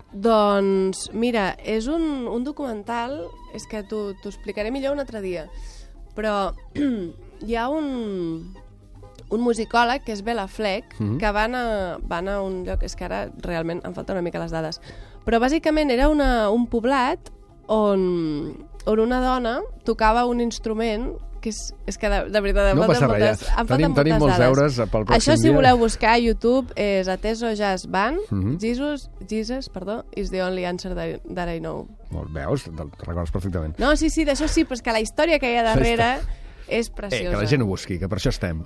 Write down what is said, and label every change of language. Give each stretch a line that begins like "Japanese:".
Catalan: Doncs, mira, és un documental, és que t'ho explicaré millor un altre dia, però hi ha un musicòleg, que és Bela Fleck, que va anar a un lloc, és que ara realment em falten una mica les dades, però bàsicament era un poblat on una dona tocava un instrument que és que de veritat no passa res, moltes, tenim molts deures pel pròxim això dia. Si voleu buscar a YouTube és Ateso Jazz Band,
English: Jesus, is the only answer that I know.
Catalan: Molt, veus, recordes perfectament. No, sí, d'això sí, però és que la història que hi ha darrere és preciosa. Que la gent ho busqui, que per això estem.